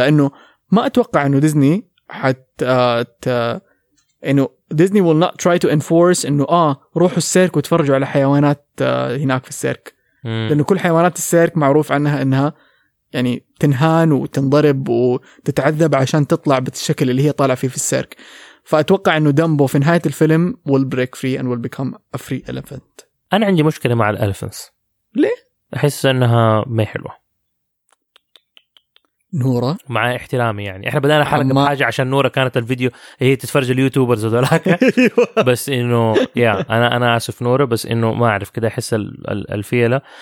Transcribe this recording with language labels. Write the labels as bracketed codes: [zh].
[ar] لانه ما اتوقع انه ديزني حتى انه ديزني [en] will not try to enforce [ar] انه روحوا السيرك وتفرجوا على حيوانات هناك في السيرك. لانه كل حيوانات السيرك معروف عنها انها يعني تنهان وتنضرب وتتعذب عشان تطلع بالشكل اللي هي طالعه فيه في السيرك. فأتوقع أنه دامبو في نهاية الفيلم [en] will break free and will become a free elephant. [ar] أنا عندي مشكلة مع الألفنس. ليه؟ أحس أنها ما حلوة. نورة؟ مع احترامي يعني. إحنا بدأنا حلقة بحاجة عشان نورة كانت الفيديو هي تتفرج اليوتيوبرز ودولاك. بس أنه yeah, أنا آسف نورة، بس أنه ما أعرف كده أحس الفيلة.